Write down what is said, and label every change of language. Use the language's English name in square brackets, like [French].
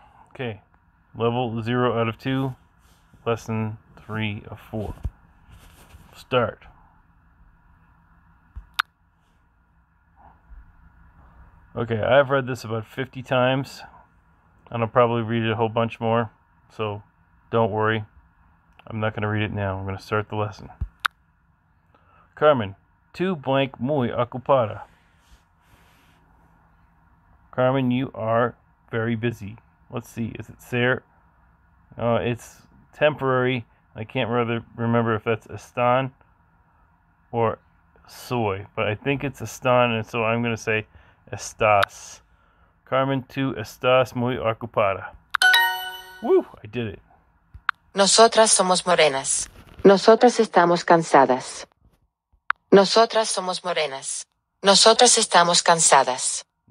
[English] Okay. Level 0 out of 2. Lesson 3 of 4. Start. Okay. I've read this about 50 times. And I'll probably read it a whole bunch more. So Don't worry. I'm not going to read it now. I'm going to start the lesson. [Spanish] Carmen, tu blank muy ocupada. [English] Carmen, you are very busy. Let's see. Is it ser? It's temporary. I can't rather remember if that's están or soy, but I think it's están, and so I'm going to say estás. [Spanish] Carmen, tú estás muy ocupada. [English] Woo! I did it. [Spanish] Nosotras somos morenas. Nosotras estamos cansadas. Nosotras somos morenas. Nosotras estamos cansadas.